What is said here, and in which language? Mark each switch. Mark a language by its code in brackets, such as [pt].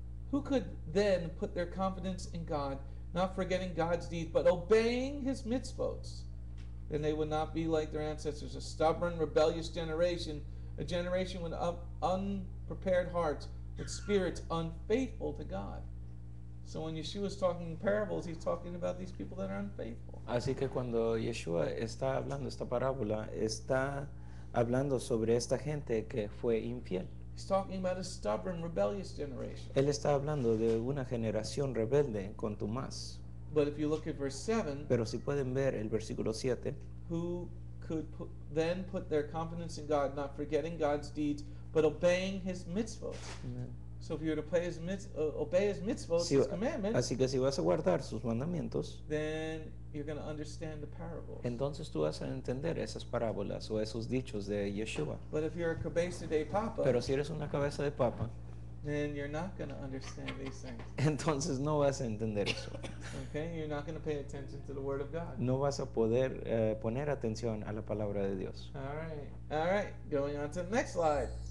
[en] Who could then put their confidence in God, not forgetting God's deeds, but obeying his mitzvot? Then they would not be like their ancestors, a stubborn, rebellious generation, a generation with unprepared hearts, with spirits unfaithful to God." So when Yeshua is talking in parables, he's talking about these people that are unfaithful. [es] Así que cuando Yeshua está hablando esta parábola, está hablando sobre esta gente que fue infiel. [en] He's talking about a stubborn, rebellious generation. [es] Él está hablando de una generación rebelde, contumaz. [en] But if you look at verse 7, [es] pero si pueden ver el versículo 7, [en] who could then put their confidence in God, not forgetting God's deeds, but obeying his mitzvot? Amen. So if you were to play obey his mitzvot, [es] si, [en] his commandments, [es] así que si vas a guardar sus mandamientos, [en] then you're going to understand the parables. [es] Entonces tú vas a entender esas parábolas o esos dichos de Yeshua. [en] But if you're a [es] cabeza de papa, pero si eres una cabeza de papa, [en] then you're not going to understand these things. [es] Entonces no vas a entender eso. [en] Okay, you're not going to pay attention to the word of God. [es] No vas a poder poner atención a la palabra de Dios. [en] All right, going on to the next slide.